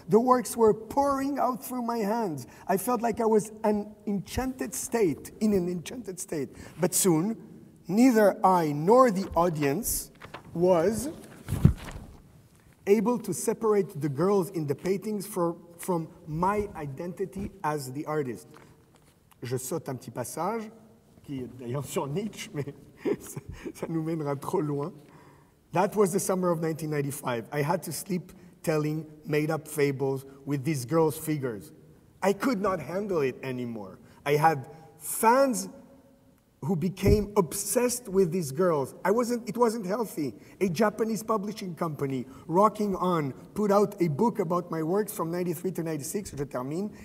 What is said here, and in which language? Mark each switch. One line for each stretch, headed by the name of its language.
English: The works were pouring out through my hands. I felt like I was in an enchanted state. But soon, neither I nor the audience was able to separate the girls in the paintings from my identity as the artist.
French: Je saute un petit passage, qui est d'ailleurs sur Nietzsche, mais ça nous mènera trop loin.
English: That was the summer of 1995. I had to sleep telling made-up fables with these girls' figures. I could not handle it anymore. I had fans who became obsessed with these girls. It wasn't healthy. A Japanese publishing company, Rocking On, put out a book about my works from 93 to 96,
French: je termine.